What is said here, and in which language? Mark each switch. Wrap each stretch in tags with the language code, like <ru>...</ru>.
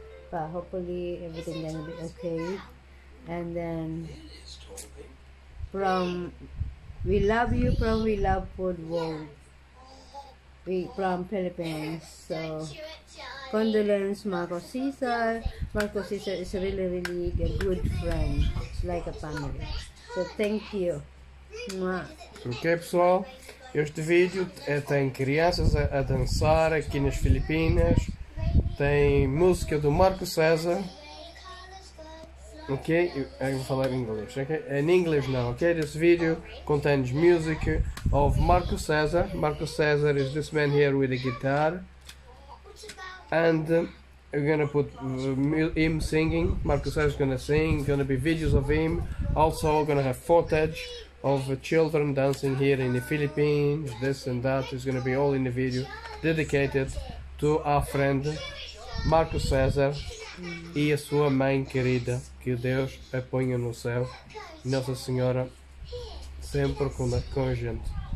<en>But hopefully everything gonna be okay. And then from we love you from we love food world. We from Philippines. So condolence, Marcos César. Marcos César is a really a good friend. It's like a family. So thank you.</en> <pt>Ok, pessoal, este vídeo tem crianças a dançar aqui nas Filipinas, tem música do Marco César. Ok? Eu vou falar em inglês. Okay? Em inglês não, ok?</pt> <en>This video contains music of Marco César. Marco César is this man here with a guitar. And we're gonna put him singing. Marco César is gonna sing, gonna be videos of him. Also gonna have footage of children dancing here in the Philippines. This and that is gonna be all in the video dedicated to our friend Marco César.</en> <pt>E a sua mãe querida, que Deus a ponha no céu, Nossa Senhora, sempre com a gente.</pt>